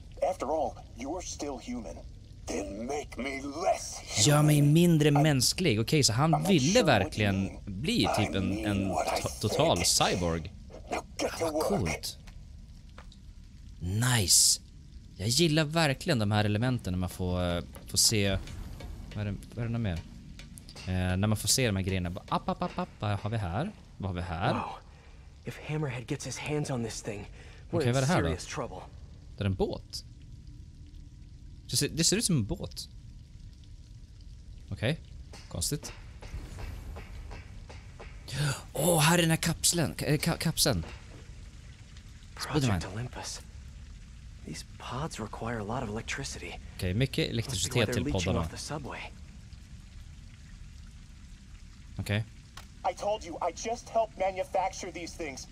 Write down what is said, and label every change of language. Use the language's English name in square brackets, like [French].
[English] After all, you're still human. Then make me less human. [Swedish] Gör mig mindre mänsklig. Okej, okay, så han ville sure verkligen bli typ en total cyborg. Vad coolt. [English] Nice. [Swedish] Jag gillar verkligen de här elementen när man får se. Vad är det mer? När man får se de här grejerna. Vad har vi här? Vad har vi här? Wow. [English] If Hammerhead gets his hands on this thing, we're okay, in serious [Swedish] här, [English] trouble. [Swedish] Det är en båt. Det ser ut som en båt. Okej. Okay. Konstigt. Åh, här är den här kapseln. [English] Project Olympus. These pods require a lot of electricity. [Swedish] Okej, okay, mycket elektricitet till poddarna. Okej. [English] Okay. I told you I just helped manufacture these things.